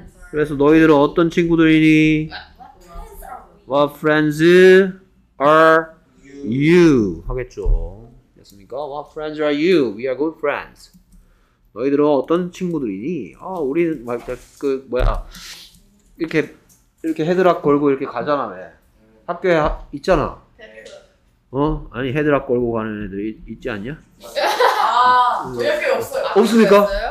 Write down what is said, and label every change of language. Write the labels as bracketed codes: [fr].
[ko] 그래서 너희들은 어떤 친구들이니? [en] What friends? Are you [ko] 하겠죠? 됐습니까? [en] What friends are you? We are good friends. [ko] 너희들은 어떤 친구들이니? 아, 우리는 막 그 뭐야 이렇게 이렇게 헤드락 걸고 이렇게 가잖아, 왜? 학교에 있잖아. 어? 아니 헤드락 걸고 가는 애들 있지 않냐? 아, 저희 학교 없어요. 없습니까?